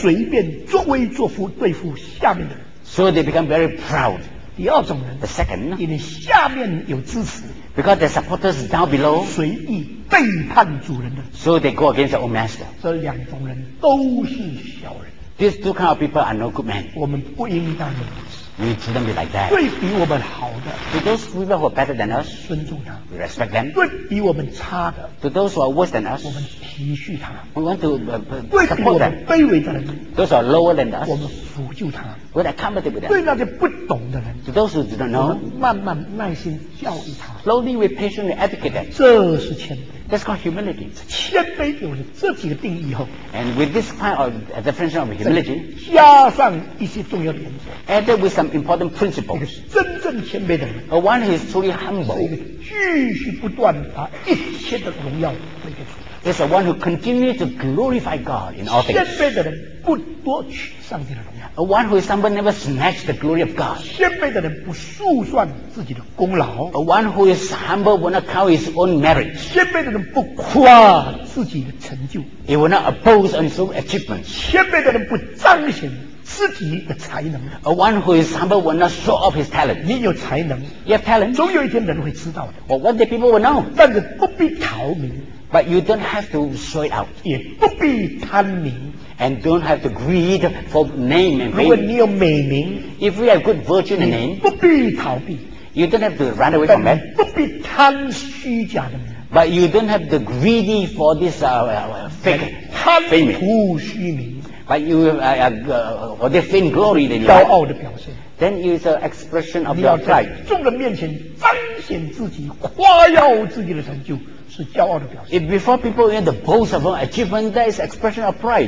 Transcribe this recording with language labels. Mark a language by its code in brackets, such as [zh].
[zh] 随便作威作福对付下面的人。 [en] So they become very proud. [zh] 第二种人 [en] the second, [zh] 因为下面有支持 [en] because the supporters down below [zh] 随意背叛主人的 [en] so they go against their own master [zh] 这两种人都是小人 [en] these two kind of people are no good men [zh] 我们不应当如此 [en] we shouldn't be like that [zh] 对比我们好的 [en] to those people who are better than us [zh] 尊重他 [en] we respect them [zh] 对比我们差的 [en] to those who are worse than us [zh] 我们体恤他 [en] we want to support them [zh] 对比我们卑微的人 [en] those who are lower than us [zh] 我们辅助他 [en] we accommodate with them [zh] 对那些不懂的人 [en] to those who do not know [zh] 慢慢耐心教育他 [en] slowly we patiently educate them [zh] 这是谦卑 [en] that's called humility [zh] 谦卑有了这几个定义后 [en] and with this kind of definition of humility [zh] 加上一些重要的原则 [en] added with some important principles [zh] 一个真正谦卑的人 [en] a one who is truly humble [zh] 是一个继续不断把一切的荣耀归给主 [en] there's a one who continues to glorify God in all things [zh] 谦卑的人不夺取上帝的荣耀 [en] A one who is humble never snatches the glory of God. [zh] 谦卑的人不数算自己的功劳。 [en] A one who is humble will not count his own merits. [zh] 谦卑的人不夸自己的成就。 [en] He will not boast on his own achievements. [zh] 谦卑的人不彰显自己的才能。 [en] A one who is humble will not show off his talent. [zh] 你有才能。 [en] You have talent. [zh] 总有一天人会知道的。 [en] Well, one day people will know. [zh] 但是不必逃名。 [en] But you don't have to show it out. [zh] 也不必贪名。 [en] And don't have to greed for name and fame. [zh] 如果你有美名 [en] if we have good virtue and name, [zh] 不必逃避 [en] you don't have to run away from that. [zh] 不必贪虚假的名 [en] but you don't have to greedy for this fake fame. [zh] 贪图虚名 [en] but you or the faint glory that you [zh] have. 骄傲的表现 [en] then it's an expression of your pride. [zh] 你要在众人面前彰显自己，夸耀自己的成就。是骄傲的表现。 [en] If before people hear the boast of an achievement, that is expression of pride.